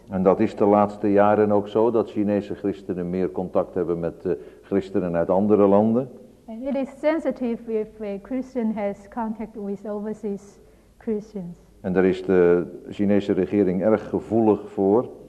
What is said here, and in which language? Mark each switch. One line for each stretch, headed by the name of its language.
Dutch: En dat is de laatste jaren ook zo, dat Chinese christenen meer contact hebben met christenen uit andere landen.
English: And it is sensitive if a Christian has contact with overseas Christians.
Dutch: En daar is de Chinese regering erg gevoelig voor.